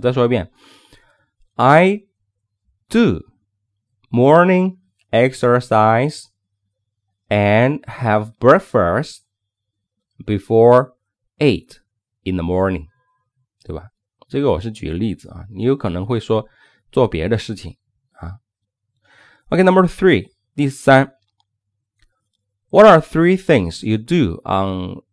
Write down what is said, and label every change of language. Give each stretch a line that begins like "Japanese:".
English: 再说一遍 I do morning exercise and have breakfast before 8 in the morning，对吧？
Chinese: 这个我是举例子啊，你有可能会说做别的事情啊。
English: OK number 3，第三 What are three things you do on